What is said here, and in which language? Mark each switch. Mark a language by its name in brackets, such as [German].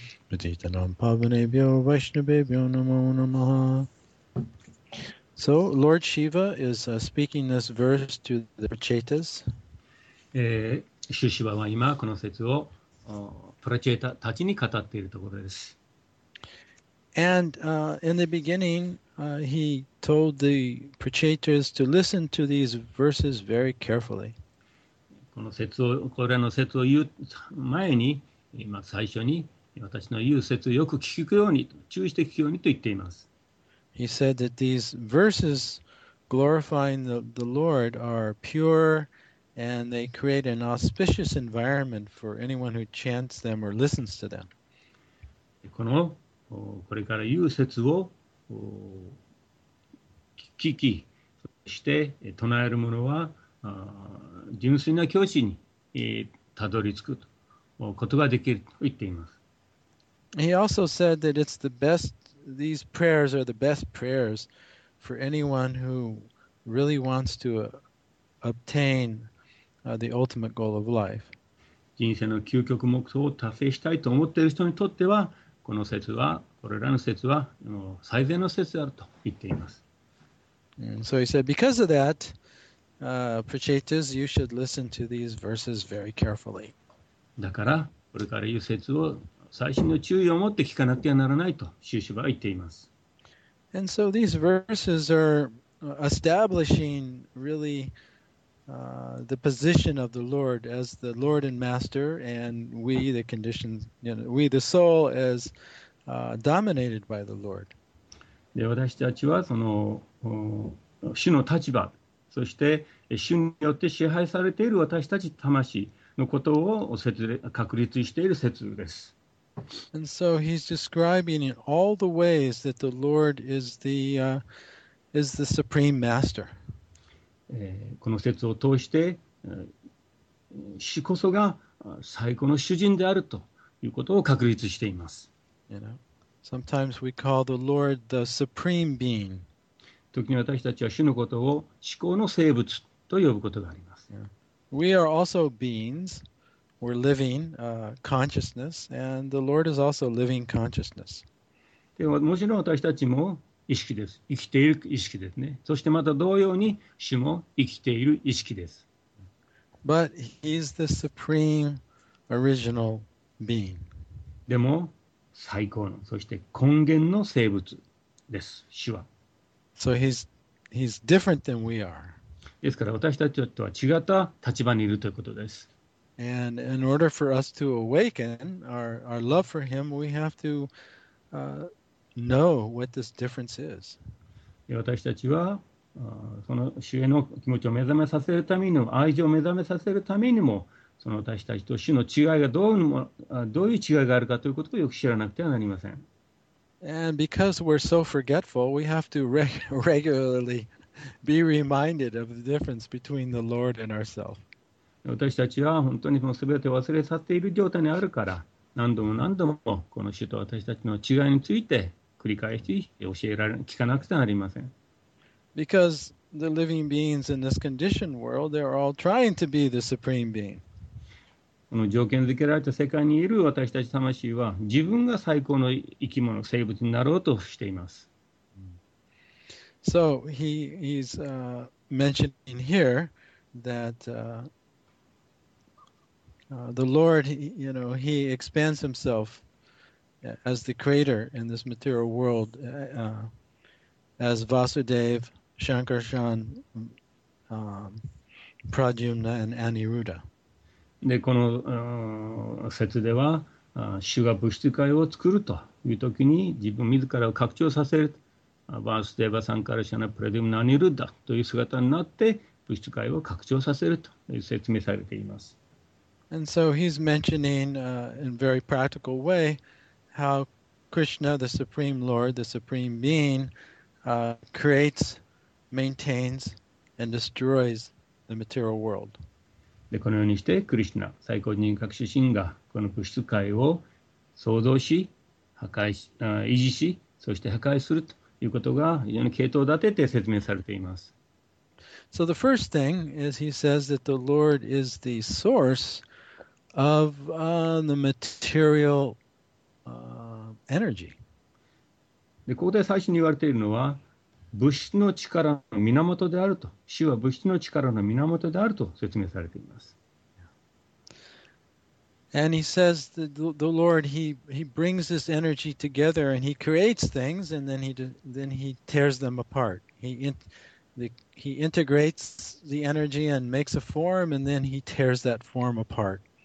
[Sanskrit] Mudhitanam Pavanebhyo Vaishnavebhyo Namo Namaha [English] So Lord Shiva is speaking this verse to the Prachetas. [Japanese] シュシバは今この説をプラチェータたちに語っているところです。 [English] And in the beginning, he told the prachetas to listen to these verses very carefully. [Japanese] この説を、これらの説を言う前に、今最初に私の言う説をよく聞くように、注意して聞くようにと言っています。 [English] He said that these verses glorifying the Lord are pure. And they create an auspicious environment for anyone who chants them or listens to them. [Japanese] この、これから言う説を、聞き、そして唱える者は、純粋な境地に、たどり着くことができると言っています。 [English] He also said that it's the best, these prayers are the best prayers for anyone who really wants to obtain. The ultimate goal of life. [Japanese] 人生の究極目標を達成したいと思っている人にとっては、この説は、これらの説は、最善の説であると言っています。 [English] So he said, because of that, Prachetas, you should listen to these verses very carefully. [Japanese] だから、これから言う説を最新の注意を持って聞かなきゃならないと、シュシュバは言っています。 [English] And so these verses are establishing really. The position of the Lord as the Lord and Master, and we, the conditions, you know, we, the soul, as dominated by the Lord. [Japanese] で、私たちはその主の立場、そして主によって支配されている私たち魂のことを確立している説です。 [English] And so he's describing in all the ways that the Lord is the supreme master. [Japanese] この説を通して主こそが最高の主人であるということを確立しています。 [English] You know, sometimes we call the Lord the supreme being. [Japanese] 時に私たちは主のことを至高の生物と呼ぶことがあります。 [English] Yeah. We are also beings. We're living consciousness, and the Lord is also living consciousness. [Japanese] でももちろん私たちも意識です。生きている意識ですね。そしてまた同様に主も生きている意識です。 [English] But he is the supreme original being. [Japanese] でも最高の、そして根源の生物です。主は。 [English] So he's different than we are. [Japanese] ですから私たちとは違った立場にいるということです。 [English] And in order for us to awaken our love for him, we have to know what this difference is. [Japanese] 私たちはその主への気持ちを目覚めさせるためにも、愛情を目覚めさせるためにも、その私たちと主の違いがどういう違いがあるかということをよく知らなくてはなりません。 [English] And because we're so forgetful, we have to regularly be reminded of the difference between the Lord and ourselves. [Japanese] 私たちは本当にもう全て忘れ去っている状態にあるから、何度も何度もこの主と私たちの違いについて繰り返し教えられ、聞かなくてはなりません。 [English] Because the living beings in this conditioned world, they're all trying to be the supreme being. [Japanese] この条件付けられた世界にいる私たち魂は、自分が最高の生き物、生物になろうとしています。 [English] So he's mentioning here that the Lord, you know, he expands himself as the creator in this material world, as Vasudev, Shankarshan, Pradyumna, and Aniruddha. [Japanese] で、この説では、主が物質界を作るというときに、自分自らを拡張させる、Vasudeva, Shankarshan, Pradyumna, Aniruddha という姿になって、物質界を拡張させるという説明されています。 [English] And so he's mentioning in a very practical way how Krishna, the Supreme Lord, the Supreme Being, creates, maintains, and destroys the material world. [Japanese] で、このようにして、クリシュナ、最高人格主神が、この物質界を創造し、破壊し、維持し、そして破壊するということが非常に系統立てて説明されています。 [English] So the first thing is he says that the Lord is the source. Of the material energy. [Japanese] で、ここで最初に言われているのは、物質の力の源であると、主は物質の力の源であると説明されています。 [English] And he says that the Lord, he brings this energy together and he creates things and then he tears them apart. He integrates the energy and makes a form and then he tears that form apart.